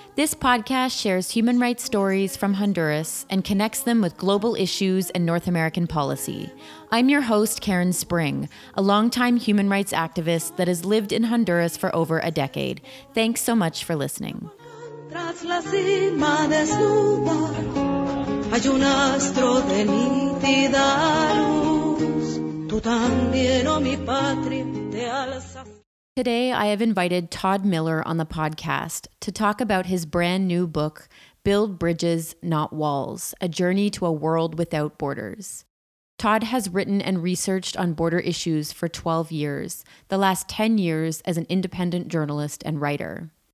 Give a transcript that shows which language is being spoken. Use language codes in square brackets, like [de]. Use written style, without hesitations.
[en] This podcast shares human rights stories from Honduras and connects them with global issues and North American policy. I'm your host, Karen Spring, a longtime human rights activist that has lived in Honduras for over a decade. Thanks so much for listening. [es] Hay un astro de nítida luz, tú también, oh mi patria, te alzas. [en] Today, I have invited Todd Miller on the podcast to talk about his brand new book, Build Bridges, Not Walls, A Journey to a World Without Borders. Todd has written and researched on border issues for 12 years, the last 10 years as an independent journalist and writer.